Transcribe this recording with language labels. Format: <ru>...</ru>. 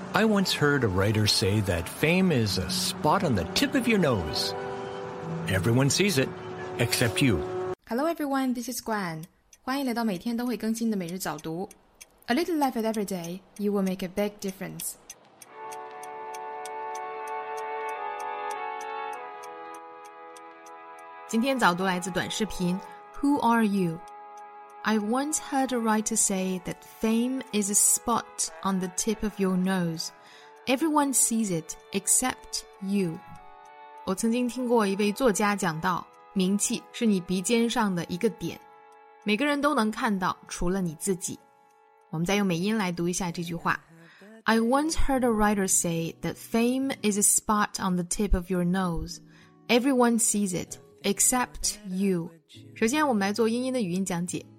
<en>I once heard a writer say that fame is a spot on the tip of your nose. Everyone sees it, except you. Hello everyone, this is Gwen.</en> <zh>欢迎来到每天都会更新的每日早读。</zh> <en>A little effort every day, you will make a big difference.</en> <zh>今天早读来自短视频</zh> <en>Who are you? I once heard a writer say that fame is a spot on the tip of your nose. Everyone sees it except you.</en> <zh>我曾经听过一位作家讲到，名气是你鼻尖上的一个点，每个人都能看到，除了你自己。我们再用美音来读一下这句话。</zh> <en>I once heard a writer say that fame is a spot on the tip of your nose. Everyone sees it except you.</en> <zh>首先我们来做英音的语音讲解。</zh>